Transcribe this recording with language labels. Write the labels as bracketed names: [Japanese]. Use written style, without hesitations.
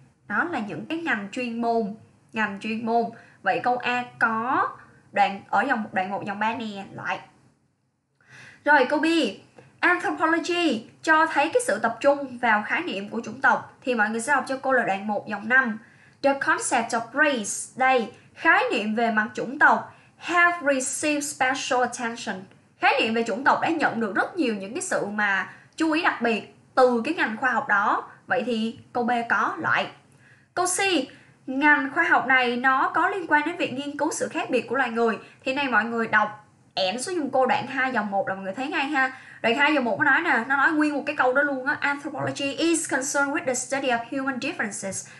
[Vietnamese] Đó là những cái ngành chuyên môn, ngành chuyên môn. Vậy câu A có đoạn ở dòng đoạn 1 dòng 3 nè, lại. Rồi câu B. Anthropology cho thấy cái sự tập trung vào khái niệm của chủng tộc, thì mọi người sẽ học cho cô là đoạn 1 dòng 5. [English] The concept of race, [Vietnamese] đây, khái niệm về mặt chủng tộc, [English] have received special attention. [Vietnamese] Khái niệm về chủng tộc đã nhận được rất nhiều những cái sự mà chú ý đặc biệt từ cái ngành khoa học đó. Vậy thì câu B có loại. Câu C. Ngành khoa học này nó có liên quan đến việc nghiên cứu sự khác biệt của loài người. Thì này mọi người đọc ẻn xuống dùng cô đoạn 2 dòng 1 là mọi người thấy ngay ha. Đoạn 2 dòng 1 nó nói nè, nó nói nguyên một cái câu đó luôn á. [English] Anthropology is concerned with the study of human differences.